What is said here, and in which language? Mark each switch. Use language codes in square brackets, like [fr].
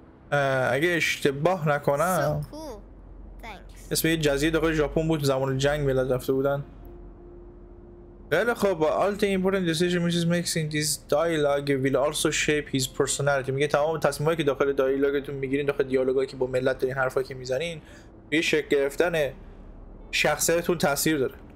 [fa] اگه اشتباه نکنم اسم یه جزیره داخل ژاپن بود زمان جنگ ملت رفته بودن. خیلی خب. [en] All the important decision which is makes in this dialogue will also shape his personality. [fa] میگه تمام تصمیم هایی که داخل دیالوگتون میگیرین، داخل دیالوگ هایی که با ملت دارین، حرف هایی که میزنین، به شکل گرفتن شخصیتون تأثیر داره.